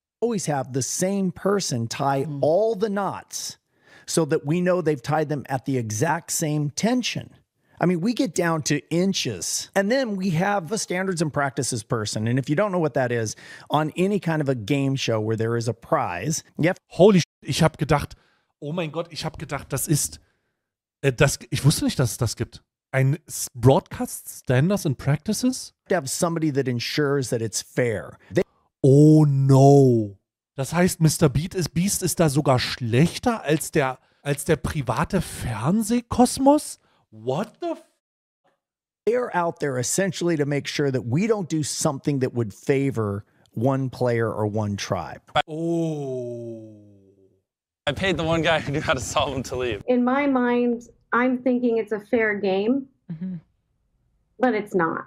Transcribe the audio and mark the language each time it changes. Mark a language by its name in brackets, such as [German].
[English] Always have the same person tie all the knots so that we know they've tied them at the exact same tension. I mean, we get down to inches and then we have a standards and practices person. And if you don't know what that is, on any kind of a game show where there is a prize, yep. Holy shit, [German] ich hab gedacht, oh mein Gott, ich hab gedacht, das ist, das, ich wusste nicht, dass es das gibt. Ein Broadcast Standards and Practices? [English] To have somebody that ensures that it's fair. Oh no. [German] Das heißt, Mr. Beast ist da sogar schlechter als der private Fernsehkosmos? [English] What the f? They're out there essentially to make sure that we don't do something that would favor one player or one tribe. Oh. I paid the one guy who knew how to solve them to leave. In my mind, I'm thinking it's a fair game, but it's not.